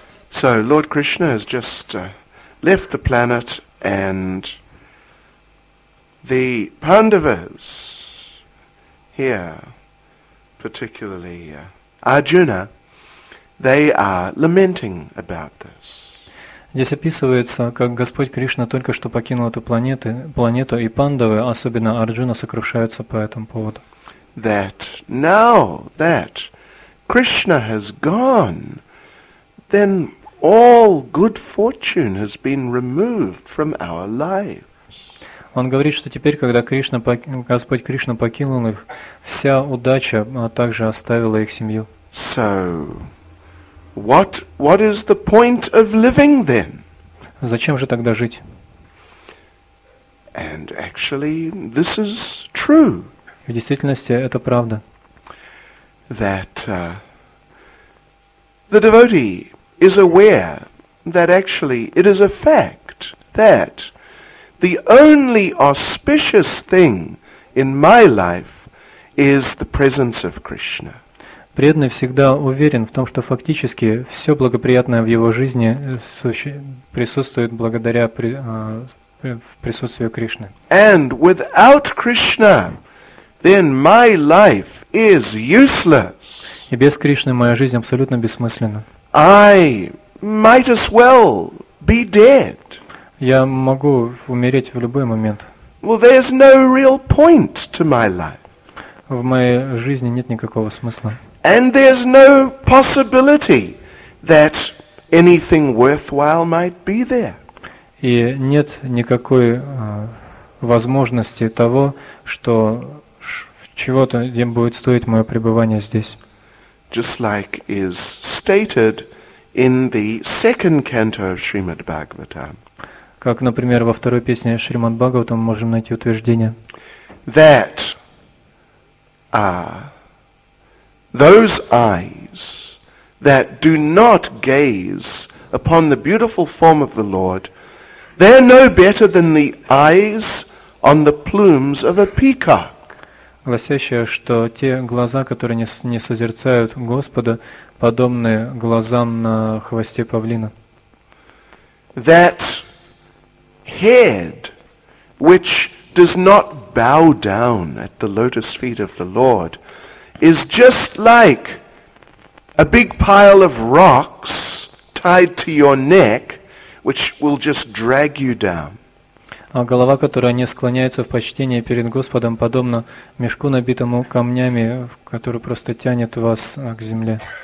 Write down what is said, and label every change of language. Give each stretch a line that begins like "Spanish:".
English: So Lord Krishna has just left the planet, and the Pandavas here, particularly Arjuna, they are lamenting about this.
Russian: Здесь описывается, как Господь Кришна только что покинул эту планету, и Пандавы, особенно Арджуна, сокрушаются по этому поводу.
English: That now that Krishna has gone, then all good fortune has been removed from our lives.
Russian: Он говорит, что теперь, когда Господь Кришна покинул их, вся удача также оставила их семью.
English: So What is the point of living then?
Russian: Зачем же тогда жить?
English: And actually, this is true.
Russian: В действительности это правда.
English: That the devotee is aware that actually it is a fact that the only auspicious thing in my life is the presence of Krishna.
Russian: Преданный всегда уверен в том, что фактически все благоприятное в его жизни присутствует благодаря присутствию Кришны.
English: And without Krishna, then my life is useless.
Russian: И без Кришны моя жизнь абсолютно бессмысленна.
English: I might as well be dead.
Russian: Я могу умереть в любой момент.
English: Well, there's no real point to my life.
Russian: В моей жизни нет никакого смысла.
English: And there's no possibility that anything worthwhile might be there.
Russian: И нет никакой возможности того, что чего-то будет стоить мое пребывание здесь.
English: Just like is stated in the second canto of Srimad Bhagavatam.
Russian: Как, например, во второй песне Шримад Бхагаватам мы можем найти утверждение.
English: That those eyes that do not gaze upon the beautiful form of the Lord, they are no better than the eyes on the plumes of a peacock.
Russian: Гласящее, что те глаза, которые не созерцают Господа, подобны глазам на хвосте павлина.
English: That head which does not bow down at the lotus feet of the Lord is just like a big pile of rocks tied to your neck, which will just drag you down.
Russian: А голова, которая не склоняется в почтении перед Господом, подобно мешку, набитому камнями, который просто тянет вас к земле.